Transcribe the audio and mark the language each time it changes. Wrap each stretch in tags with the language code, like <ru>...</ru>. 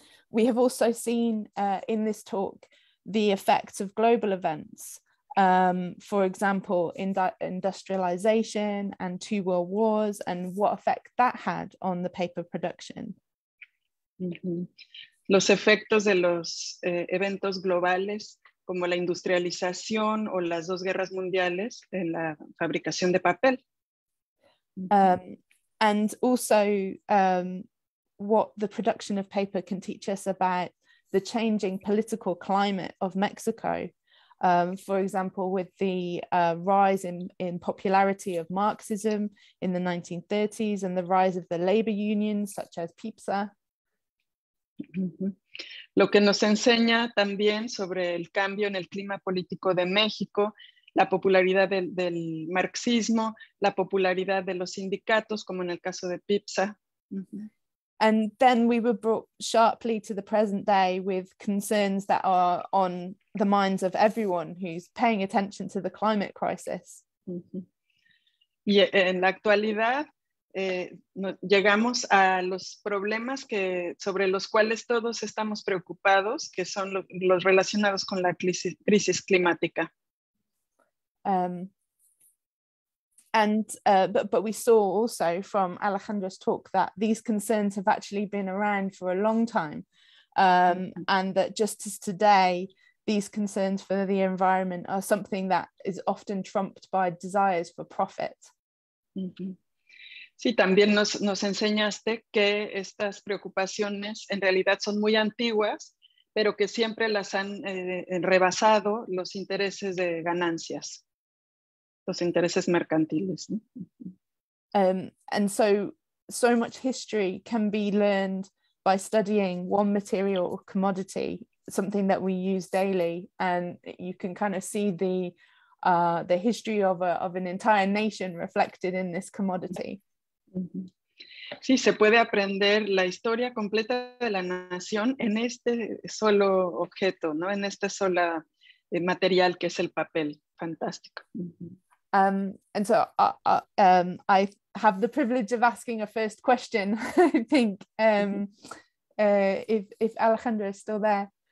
<en>We have also seen in this talk the effects of global events, for example, industrialization and two world wars, and what effect that had on the paper production.</en> <es>Los efectos de los eventos globales, como la industrialización o las dos guerras mundiales en la fabricación de papel.</es> <en>And also, what the production of paper can teach us about the changing political climate of Mexico, for example, with the rise in popularity of Marxism in the 1930s and the rise of the labor unions such as PIPSA.</en> <es>Lo que nos enseña también sobre el cambio en el clima político de México, la popularidad del marxismo, la popularidad de los sindicatos, como en el caso de PIPSA.</es> <en>And then we were brought sharply to the present day with concerns that are on the minds of everyone who's paying attention to the climate crisis.</en> <es>Y en la actualidad llegamos a los problemas sobre los cuales todos estamos preocupados, que son los relacionados con la crisis climática.</es> <en>But we saw also from Alejandra's talk that these concerns have actually been around for a long time, and that just as today, these concerns for the environment are something that is often trumped by desires for profit.</en> <es>Sí, también nos enseñaste que estas preocupaciones en realidad son muy antiguas, pero que siempre las han rebasado los intereses de ganancias. Los intereses mercantiles.</es> <en>And so much history can be learned by studying one material or commodity, something that we use daily, and you can kind of see the history of an entire nation reflected in this commodity.</en> <es>Sí, se puede aprender la historia completa de la nación en este solo objeto, ¿no? En este solo material que es el papel. Fantástico.</es> <en>And so I have the privilege of asking a first question, I think, if Alejandro is still there.</en>